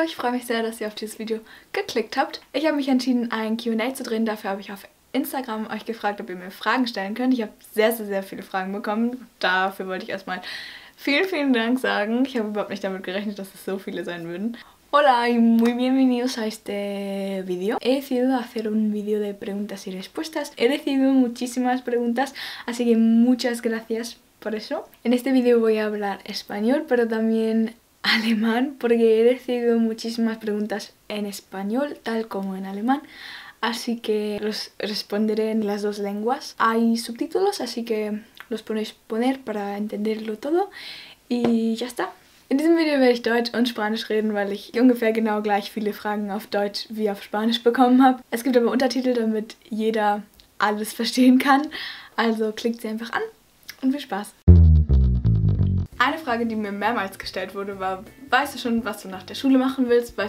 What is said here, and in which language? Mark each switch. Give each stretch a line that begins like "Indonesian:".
German: Ich freue mich sehr, dass ihr auf dieses Video geklickt habt. Ich habe mich entschieden, ein Q&A zu drehen. Dafür habe ich auf Instagram euch gefragt, ob ihr mir Fragen stellen könnt. Ich habe sehr, sehr, sehr viele Fragen bekommen. Dafür wollte ich erstmal vielen, vielen Dank sagen. Ich habe überhaupt nicht damit gerechnet, dass es so viele sein würden.
Spanish: Hola y muy bienvenidos a este video. He decidido hacer un video de preguntas y respuestas. He recibido muchísimas preguntas, así que muchas gracias por eso. En este video voy a hablar español, pero también alemán, porque he recibido muchísimas preguntas en español, tal como en alemán. Así que los responderé en las dos lenguas. Hay subtítulos, así que los podéis poner para entenderlo todo. Y ya está.
German: In diesem Video werde ich Deutsch und Spanisch reden, weil ich ungefähr genau gleich viele Fragen auf Deutsch wie auf Spanisch bekommen habe. Es gibt aber Untertitel, damit jeder alles verstehen kann. Also klickt sie einfach an und viel Spaß. Eine Frage, die mir mehrmals gestellt wurde, war: Weißt du schon, was du nach der Schule machen willst?